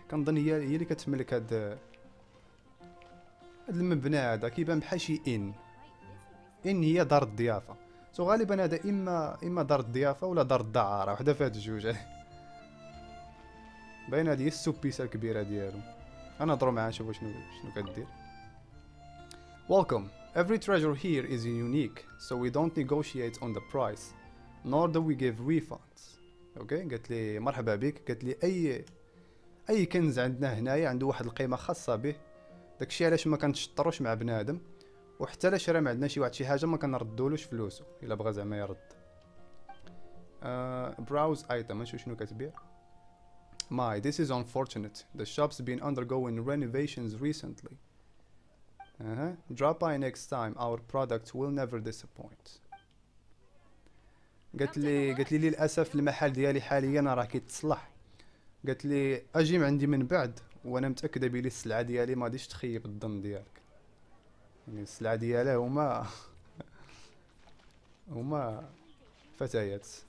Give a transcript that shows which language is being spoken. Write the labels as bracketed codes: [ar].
[ar] كنظن هي اللي كتملك هذا المبنى. هذا كيبان بحال شي ان، ان هي دار الضيافة. سو غالبا هذا اما دار الضيافة ولا دار الدعارة، وحده في هاد الجوج. باين هذه السوبيسة الكبيرة ديالو. انا نهضر معاها نشوف شنو كدير. Welcome. [en] Every treasure here is unique, so we don't negotiate on the price, nor do we give refunds. [ar] Okay? قالت لي مرحبا بك، قالت لي اي كنز عندنا هنايا عنده واحد القيمه خاصه به، داكشي علاش ما كنشطروش مع بنادم، وحتى الا شرا ما عندنا شي واحد شي حاجه ما كنردولوش فلوسه الا بغى زعما يرد. [en] Browse item. [ar] نشوف شنو كتبيع. [en] My, this is unfortunate. The shop's been undergoing renovations recently. Drop by next time. Our products will never disappoint. [ar] قالت لي للأسف المحل ديالي حاليا راه كيتصلح. قالت لي أجي عندي من بعد وأنا متأكدة بلي السلعة ديالي ما غاديش تخيب الظن ديالك. يعني السلعة ديالها هما فتيات.